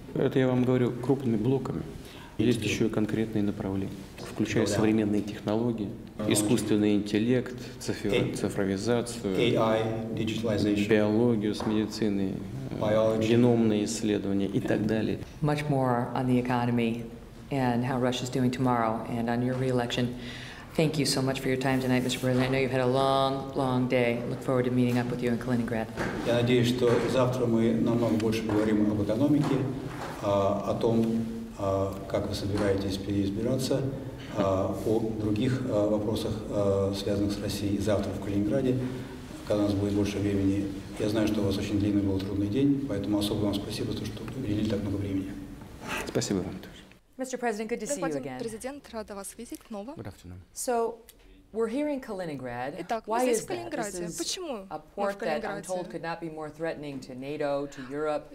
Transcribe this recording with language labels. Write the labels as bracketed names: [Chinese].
[Russian] Это я вам говорю крупными блоками. Есть еще и конкретные направления, включая современные технологии, искусственный интеллект, цифровизацию, [English] AI, digitalization, [Russian] биологию с медициной, [English] biology, [Russian] геномные исследования и так далее. [English] Much more on the economy and how Russia's doing tomorrow and on your re-election. Thank you so much for your time tonight, Mr. President. I know you've had a long, long day. I look forward to meeting up with you in Калининград. [Russian] Я надеюсь, что завтра мы намного больше поговорим об экономике, о том, как вы собираетесь переизбираться, о других вопросах, связанных с Россией завтра в Калининграде, когда у нас будет больше времени. Я знаю, что у вас очень длинный был трудный день, поэтому особо вам спасибо, что уделили так много времени. Спасибо вам. [English] Mr. President, good to see you again. [Russian] Господин президент, рада вас видеть снова. [English] Good afternoon. So, we're here in Калининград. [Russian] Итак, мы здесь в Калининграде. Почему мы в Калининграде? [English] This is a port that, I'm told, could not be more threatening to NATO, to Europe.